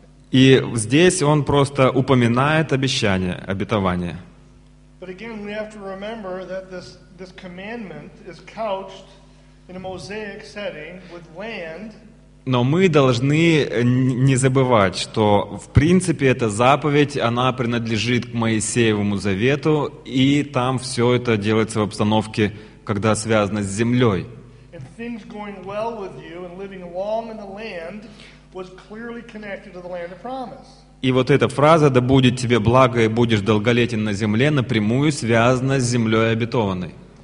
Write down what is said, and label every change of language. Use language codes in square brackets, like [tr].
[ru] И здесь он просто упоминает обещание, обетование. [en] But again, we have to remember that this commandment is couched in a mosaic setting with land. [ru] Но мы должны не забывать, что в принципе эта заповедь, она принадлежит к Моисеевому завету, и там все это делается в обстановке, когда связано с землей. [en] And things going well with you and living long in the land was clearly connected to the land of promise. [ru] И вот эта фраза «Да будет тебе благо и будешь долголетен на земле» напрямую связана с землей обетованной.